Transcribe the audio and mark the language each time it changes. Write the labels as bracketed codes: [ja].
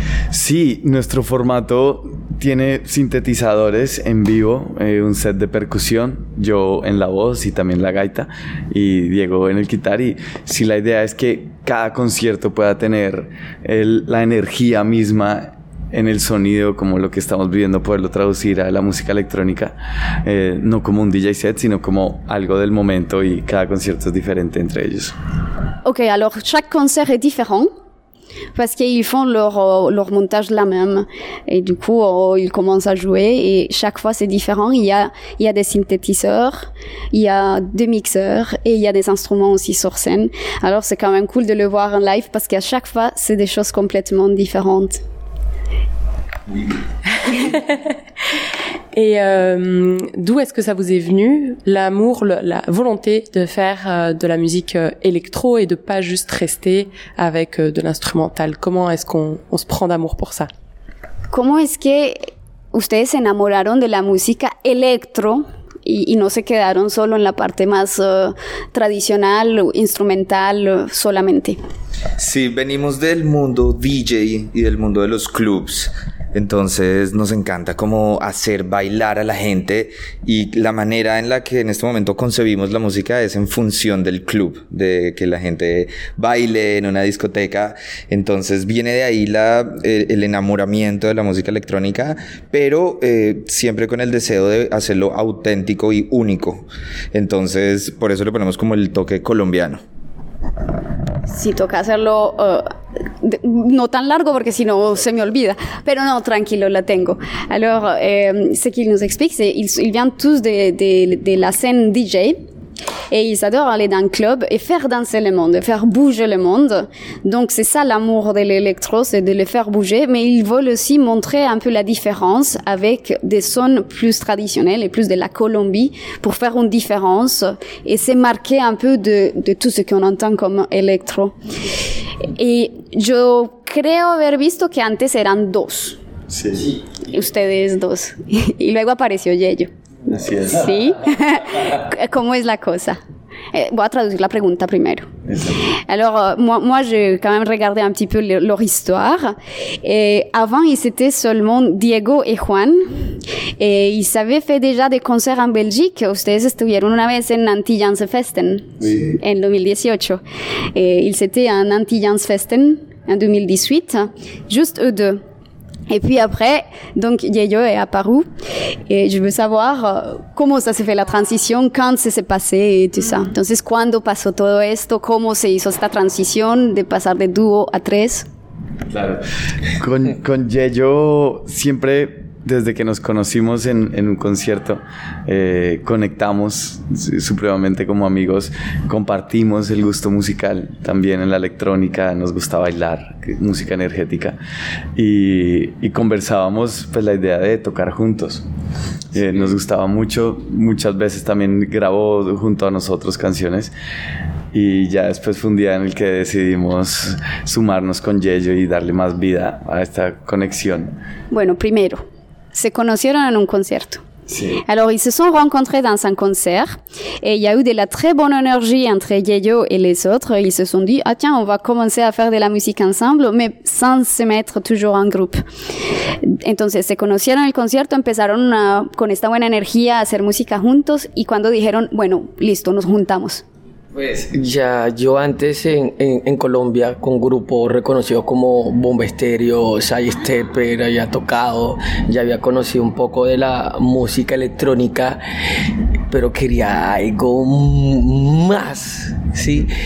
[es] Sí, nuestro formato tiene sintetizadores en vivo, un set de percusión, yo en la voz y también la gaita y Diego en el guitar. Y sí, la idea es que cada concierto pueda tener la energía misma en el sonido, como lo que estamos viviendo, poderlo traducir a la música electrónica, no como un DJ set, sino como algo del momento, y cada concierto es diferente entre ellos. [fr] Ok, alors chaque concert est différent. Parce qu'ils font leur montage la même. Et du coup, ils commencent à jouer et chaque fois c'est différent. Il y a des synthétiseurs, il y a des mixeurs et il y a des instruments aussi sur scène. Alors c'est quand même cool de le voir en live parce qu'à chaque fois, c'est des choses complètement différentes. Et d'où est-ce que ça vous est venu, l'amour, la volonté de faire de la musique électro et de pas juste rester avec de l'instrumental? Comment est-ce qu'on se prend d'amour pour ça? Comment est-ce que [es] ustedes se enamoraron de la música electro y no se quedaron solo en la parte más tradicional, instrumental solamente? Sí, venimos del mundo DJ y del mundo de los clubs. Entonces nos encanta como hacer bailar a la gente, y la manera en la que en este momento concebimos la música es en función del club, de que la gente baile en una discoteca. Entonces viene de ahí el enamoramiento de la música electrónica, pero siempre con el deseo de hacerlo auténtico y único. Entonces por eso le ponemos como el toque colombiano. Sí, toca hacerlo no tan largo porque si no se me olvida, pero no, tranquilo, la tengo. [fr] Alors, ce qu'ils nous expliquent, c'est ils viennent tous de la scène DJ et ils adorent aller dans le club et faire danser le monde, faire bouger le monde. Donc c'est ça l'amour de l'électro, c'est de le faire bouger, mais ils veulent aussi montrer un peu la différence avec des sons plus traditionnels et plus de la Colombie pour faire une différence et se marquer un peu de tout ce qu'on entend comme électro. Et je crois avoir vu qu'avant c'était deux. [es] Sí. Ustedes dos. Y luego apareció Yeyo. Así es. ¿Sí? ¿Cómo es la cosa? Voy a traducir la pregunta primero. [fr] Alors, moi j'ai quand même regardé un petit peu leur histoire. Et avant, ils étaient seulement Diego et Juan. Et ils avaient fait déjà des concerts en Belgique. [es] Ustedes estuvieron una vez en Antillansfesten. Sí. En 2018. [fr] Et ils étaient en Antillansfesten en 2018. Juste eux deux. Et puis après, donc Yeyo est apparu, et je veux savoir comment ça s'est fait la transition, quand ça s'est passé et tout ça. Donc, quand est-ce que tout ça s'est passé, comment s'est fait cette transition de passer de duo à tres? [es] Claro. Con Yeyo, siempre, desde que nos conocimos en un concierto, conectamos supremamente como amigos, compartimos el gusto musical también en la electrónica, nos gusta bailar, música energética, y conversábamos pues la idea de tocar juntos. Sí. Nos gustaba mucho, muchas veces también grabó junto a nosotros canciones, y ya después fue un día en el que decidimos sumarnos con Yeyo y darle más vida a esta conexión. Bueno, primero, se conocieron en un concierto. Sí. [fr] Alors, ils se sont rencontrés dans un concert et il y a eu de la très bonne énergie entre Yeyo et les autres. Ils se sont dit, ah tiens, on va commencer à faire de la musique ensemble, mais sans se mettre toujours en groupe. [es] Entonces, se conocieron en el concierto, empezaron con esta buena energía a hacer música juntos, y cuando dijeron, bueno, listo, nos juntamos. Pues ya yo antes en Colombia con grupos reconocidos como Bomba Estéreo, Sidestepper, había tocado, ya había conocido un poco de la música electrónica, pero quería algo más, ¿sí?